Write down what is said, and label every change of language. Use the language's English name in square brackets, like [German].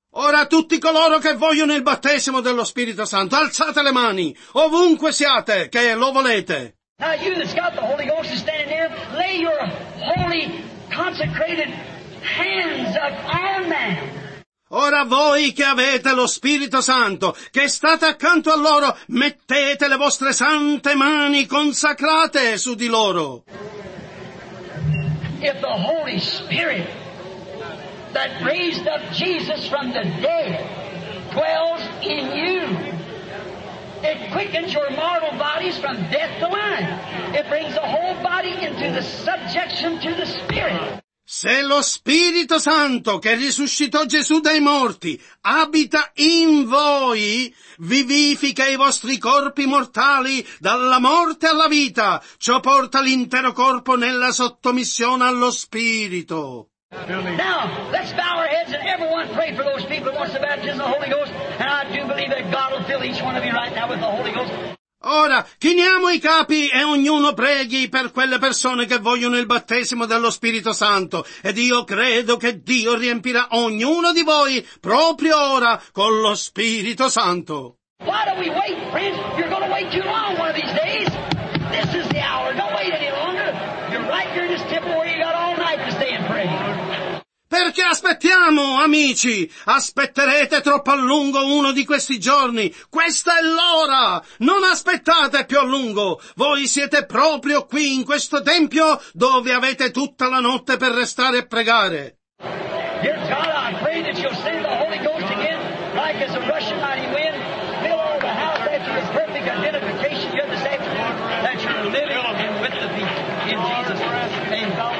[Italian] Ora tutti coloro che vogliono il battesimo dello Spirito Santo, alzate le mani, ovunque siate, che lo volete. [English] Now you that's got the Holy Ghost standing there, lay your holy, consecrated hands up on them. [Italian] Ora voi che avete lo Spirito Santo, che state accanto a loro, mettete le vostre sante mani consacrate su di loro. [English] If the Holy Spirit that raised up Jesus from the dead dwells in you, it quickens your mortal bodies from death to life. It brings the whole body into the subjection to the Spirit. [Italian] Se lo Spirito Santo che risuscitò Gesù dai morti abita in voi, vivifica i vostri corpi mortali dalla morte alla vita. Ciò porta l'intero corpo nella sottomissione allo Spirito. [English] Now, let's bow our heads and everyone pray for those people who want the baptism of the Holy Ghost. And I do believe that God will fill each one of you right now with the Holy Ghost. [Italian] Ora, chiniamo i capi e ognuno preghi per quelle persone che vogliono il battesimo dello Spirito Santo, ed io credo che Dio riempirà ognuno di voi proprio ora con lo Spirito Santo. [English] Why do we wait, friends? You're going to wait too long one of these days. This is the hour. Don't wait any longer. You're right here in this temple where you got all night to stay and pray. [Italian] Perché aspettiamo, amici? Aspetterete troppo a lungo uno di questi giorni. Questa è l'ora! Non aspettate più a lungo. Voi siete proprio qui in questo tempio dove avete tutta la notte per restare e pregare. [English] Dear God, I pray that you'll send the Holy Ghost again, like as a rushing mighty wind, fill all the house that you have perfect identification, you understand, that you're living with the people in Jesus' name.